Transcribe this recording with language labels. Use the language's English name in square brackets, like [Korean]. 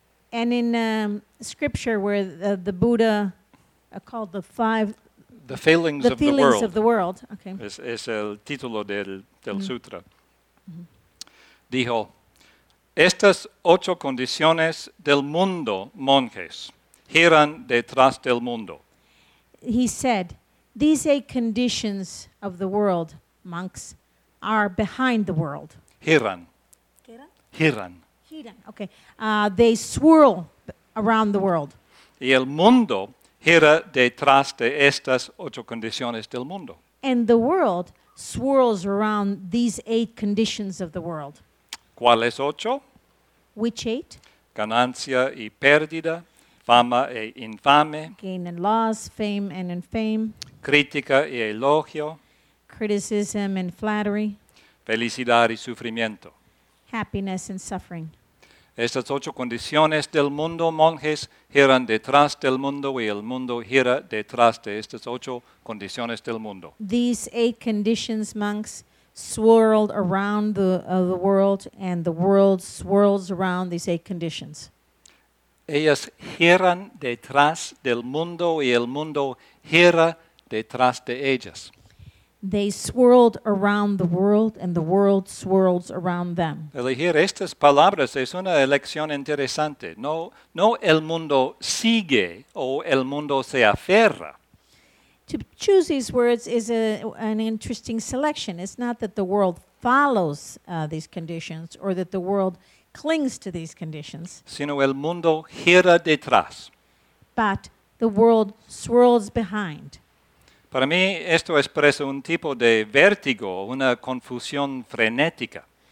[English] And in scripture where the Buddha called the five... The failings of the world. [Spanish] Okay. Es el título del sutra. Dijo, estas 8 condiciones del mundo, monjes, giran detrás del mundo. [English] He said, these 8 conditions of the world, monks, are behind the world. [Spanish] Giran. Okay. [English] They swirl around the world. [Spanish] Y el mundo gira detrás de estas 8 condiciones del mundo. [English] And the world swirls around these 8 conditions of the world. [Spanish] ¿Cuáles 8? [English] Which 8? [Spanish] Ganancia y pérdida, fama e infame. [English] Gain and loss, fame and infame. [Spanish] Crítica y elogio. [English] Criticism and flattery. [Spanish] Felicidad y sufrimiento. [English] Happiness and suffering. [Spanish] Estas 8 condiciones del mundo, monjes, giran detrás del mundo y el mundo gira detrás de estas 8 condiciones del mundo. [English] These 8 conditions, monks, swirled around the world and the world swirls around these 8 conditions. [Spanish] Ellas giran detrás del mundo y el mundo gira detrás de ellas. [English] They swirled around the world and the world swirls around them. [Spanish] Elegir estas palabras es una elección interesante. No el mundo sigue o el mundo se aferra. [English] To choose these words is an interesting selection. It's not that the world follows these conditions or that the world clings to these conditions. [Spanish] Sino el mundo gira detrás. [English] But the world swirls behind. [Spanish] Para mí esto expresa un tipo de vértigo, una confusión frenética.